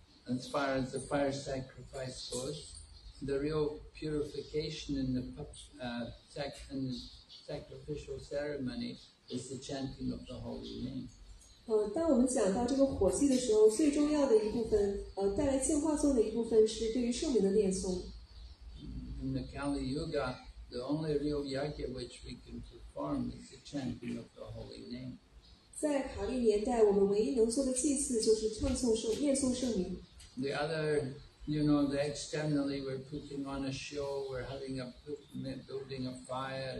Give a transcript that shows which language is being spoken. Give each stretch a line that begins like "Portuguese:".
English: As far as the fire sacrifice goes, the real purification in the sacrificial ceremony is the chanting of the holy name.
Chinese: 当我们讲到这个火祭的时候，最重要的一部分，带来净化作的一部分，是对于圣名的念诵。
English: In the Kali Yuga, the only real yagya which we can perform is the chanting of the holy name.
Chinese: 在卡利年代，我们唯一能做的祭祀就是唱诵圣，念诵圣名。
English: The other, you know, the externally we're putting on a show, we're having a building a fire.